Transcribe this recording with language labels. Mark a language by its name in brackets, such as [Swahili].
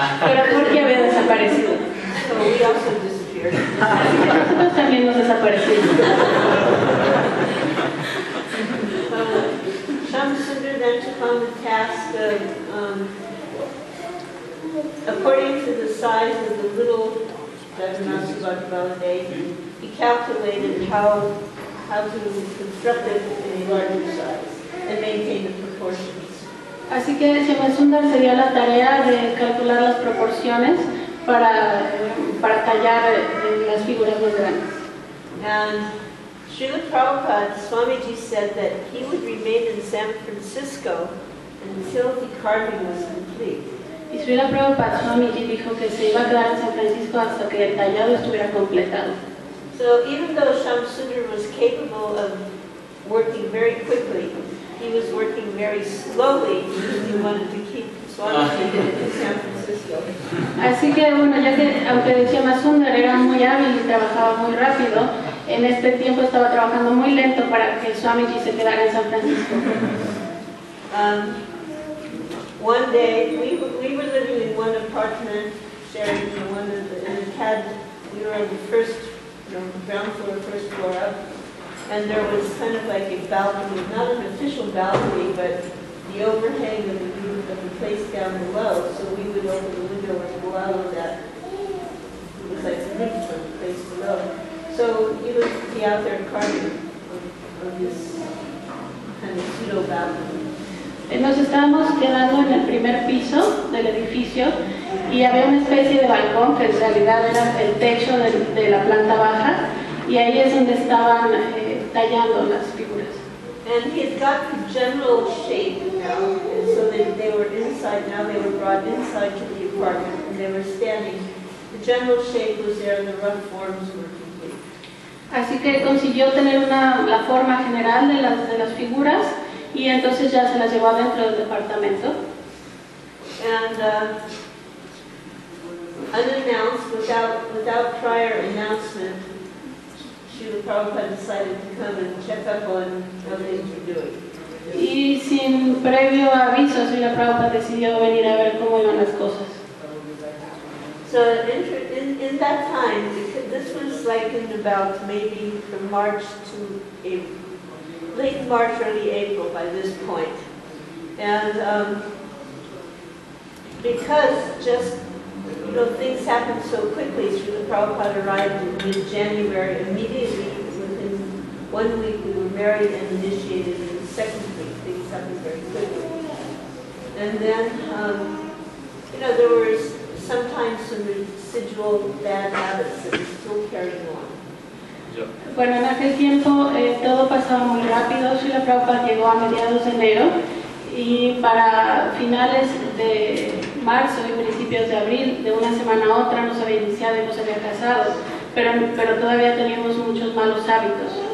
[Spanish] Pero Porky había desaparecido. [English] So we also disappeared. [Spanish] Nosotros también nos desaparecimos. [English] Shyam Sundar then took on the task of, according to the size of the little Jagannath Balade, he calculated how to construct it in a larger size and maintain the proportions. [Spanish] Así que Shyam Sundar se dio la tarea de calcular las proporciones para tallar las figuras más grandes. [English] And Srila Prabhupada, Swamiji said that he would remain in San Francisco until the carving was complete. [Spanish] Y Srila Prabhupada, Swamiji dijo que se iba a quedar en San Francisco hasta que el tallado estuviera completado. [English] So even though Shyam Sundar was capable of working very quickly, he was working very slowly because he wanted to keep Swamiji in San Francisco. [Spanish] Así que bueno, ya que aunque Shyam Sundar era muy hábil y trabajaba muy rápido, en este tiempo estaba trabajando muy lento para que Swamiji se quedara en San Francisco. [English] One day we were living in one apartment, sharing in one of the, and it had, we were on the first, ground floor, first floor up, and there was kind of like a balcony, not an official balcony, but the overhang of the place down below. So we would open the window and go out of that. It was like the roof of the place below. So he would be out there carving on this kind of pseudo balcony. [Spanish] Nos estábamos quedando en el primer piso del edificio y había una especie de balcón que en realidad era el techo de la planta baja y ahí es donde estaban tallando las figuras. [English] And he had got the general shape now, and so they were inside, now they were brought inside to the apartment and they were standing. The general shape was there and the rough forms were complete. [Spanish] Así que consiguió tener la forma general de las figuras. Y entonces ya se las llevó adentro del departamento. [English] And unannounced, without prior announcement, Srila Prabhupada decided to come and check up on how things were doing. [Spanish] Y sin previo aviso, Srila Prabhupada decidió venir a ver cómo iban las cosas. [English] So in that time, because this was like in about maybe from March to April. Late March, early April by this point. And because just, things happened so quickly, Srila Prabhupada arrived in mid-January, immediately within 1 week we were married and initiated in the second week. Things happened very quickly. And then, there were sometimes some residual bad habits that were still carrying on. [Spanish] Bueno, en aquel tiempo todo pasaba muy rápido. Srila Prabhupada llegó a mediados de enero y para finales de marzo y principios de abril, de una semana a otra, nos había iniciado y nos había casado, pero todavía teníamos muchos malos hábitos.